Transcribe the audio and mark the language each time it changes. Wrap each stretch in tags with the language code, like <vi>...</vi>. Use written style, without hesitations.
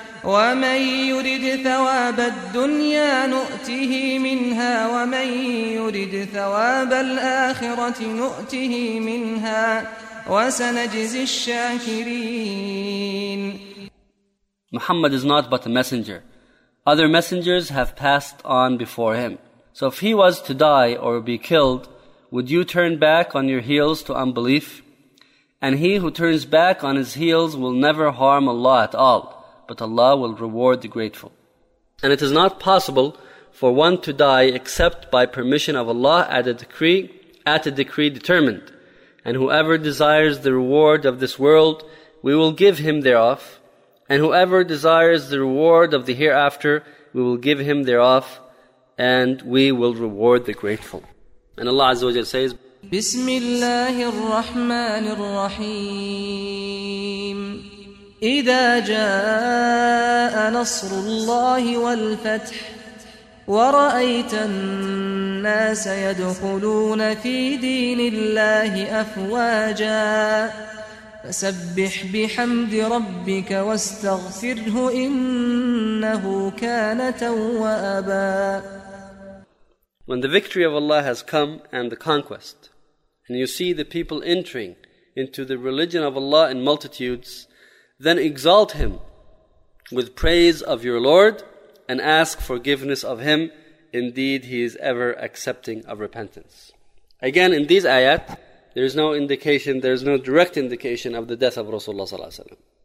<ar>ومن يرد ثواب الدنيا نؤته منها ومن يرد ثواب الآخرة نؤته منها وسنجزي الشاكرين.</ar> <en>Muhammad is not but a messenger. Other messengers have passed on before him. So if he was to die or be killed, would you turn back on your heels to unbelief? And he who turns back on his heels will never harm Allah at all, but Allah will reward the grateful. And it is not possible for one to die except by permission of Allah at a decree determined. And whoever desires the reward of this world, we will give him thereof. And whoever desires the reward of the hereafter, we will give him thereof, and we will reward the grateful. And Allah Azza wa Jalla says,</en> <ar>بسم الله الرحمن الرحيم إذا جاء نصر الله والفتح ورأيت الناس يدخلون في دين الله أفواجا فسبح بحمد ربك واستغفره إنه كان توابا.</ar> <en>When the victory of Allah has come and the conquest, and you see the people entering into the religion of Allah in multitudes, then exalt Him with praise of your Lord and ask forgiveness of Him. Indeed, He is ever accepting of repentance. Again, in these ayat, there is no direct indication of the death of Rasulullah sallallahu alaihi wasallam.</en>